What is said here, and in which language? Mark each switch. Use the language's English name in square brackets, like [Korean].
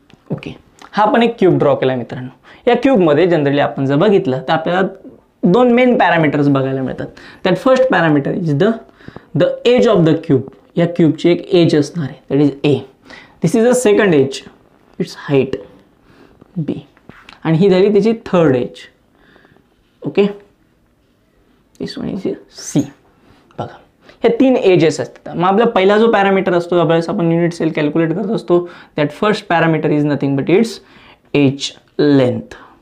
[Marathi] Okay, हा आपण एक क्यूब ड्रॉ केला मित्रांनो. या क्यूबमध्ये जनरली आपण जर बघितलं तर आपल्याला दोन मेन पॅरामीटर्स बघायला मिळतात. [English] that first parameter is the edge of the cube, [Marathi] या क्यूबची एक एज असणार आहे, [English] That is A. This is the second edge, it's height B. [Marathi] आणि ही झाली त्याची third age. Okay, [English] This one is C. [Marathi] बघा हे तीन एजेस असतात. मग आपला पहिला जो पॅरामीटर असतो ज्यावेळेस आपण युनिट सेल कॅल्क्युलेट करत असतो, [English] That first parameter is nothing but its edge length.